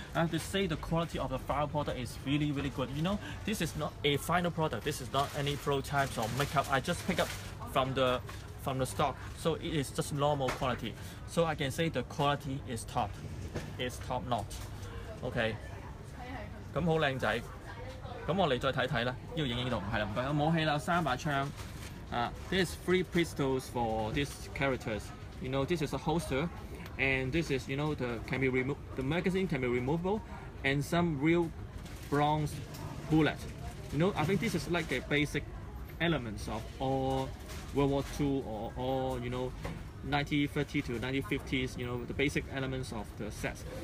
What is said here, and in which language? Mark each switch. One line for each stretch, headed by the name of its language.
English: I have to say the quality of the final product is really really good. You know, this is not a final product. This is not any prototypes or makeup. I just pick up from the stock, so it is just normal quality. So I can say the quality is top, it's top notch.
Cantonese: OK, 咁好靚仔。咁我哋再睇睇啦，要影影到唔係啦，唔該。武器啦，三把槍。
English: This is three pistols for these characters. You know, this is a holster, and this is you know the can be removed. The magazine can be removable, and some real bronze bullet. You know, I think this is like a basic elements of all. World War II or you know 1930 to 1950s, you know the basic elements of the sets.